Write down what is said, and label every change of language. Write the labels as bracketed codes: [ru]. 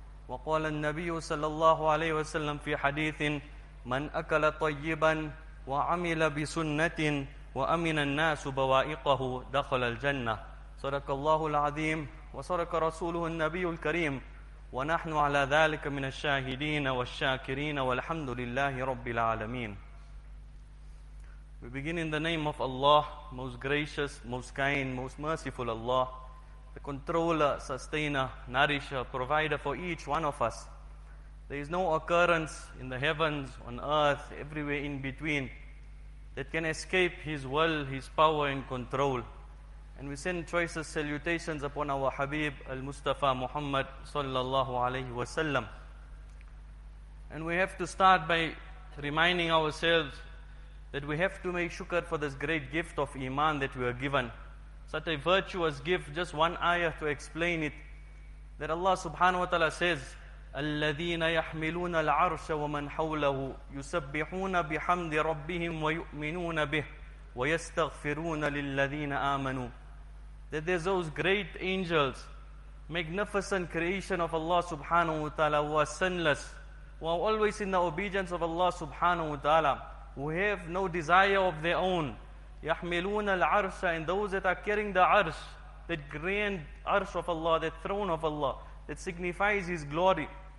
[ar] وقال النبي صلى الله عليه وسلم في حديث: من أكل طيبا وعمل بسنة وأمن الناس بوائقه دخل الجنة. صدق الله العظيم وصدق رسوله النبي الكريم ونحن على ذلك من الشاهدين والشاكرين والحمد لله رب العالمين. [en] We begin in the name of Allah, most gracious, most kind, most merciful Allah, the controller, sustainer, nourisher, provider for each one of us. There is no occurrence in the heavens, on earth, everywhere in between, that can escape His will, His power and control. And we send choicest salutations upon our Habib, Al-Mustafa Muhammad sallallahu alayhi wa sallam. And we have to start by reminding ourselves that we have to make shukr for this great gift of iman that we are given. Such a virtuous gift, just one ayah to explain it. That Allah subhanahu wa ta'ala says, [ar] الَّذِينَ يَحْمِلُونَ الْعَرْشَ وَمَنْ حَوْلَهُ يُسَبِّحُونَ بِحَمْدِ رَبِّهِمْ وَيُؤْمِنُونَ بِهِ وَيَسْتَغْفِرُونَ لِلَّذِينَ آمَنُوا. [en] That there's those great angels, magnificent creation of Allah subhanahu wa ta'ala, who are sinless, who are always in the obedience of Allah subhanahu wa ta'ala, who have no desire of their own. [ar] يَحْمِلُونَ الْعَرْشَ, [en] and those that are carrying the arsh, that grand arsh of Allah, that throne of Allah, that signifies His glory.